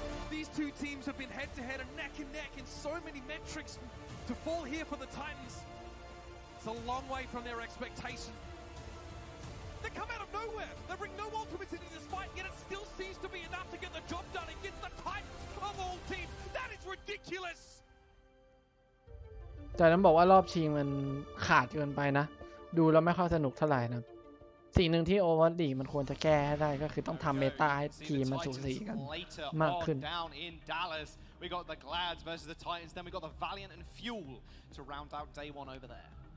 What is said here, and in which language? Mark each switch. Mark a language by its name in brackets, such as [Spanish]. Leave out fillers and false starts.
[English] These two teams have been head to head and neck in so many metrics. To fall here for the Titans, it's a long way from their expectation. They come out of nowhere. They bring no ultimates into this fight, yet it still seems to be enough to get the job done against the Titans of all teams. ridiculous [Thai] แต่ต้องบอกว่ารอบชิงมันขาดเกินไปนะดูแล้วไม่ค่อยสนุกเท่าไหร่นะสิ่งนึงที่โอเวอร์ดีมันควรจะแก้ได้ก็คือต้องทำเมตาให้ทีมมันสูสีกันมากขึ้น [English] Down in Dallas we got the Glads versus the Titans then we got the Valiant and Fuel to round out day 1 over there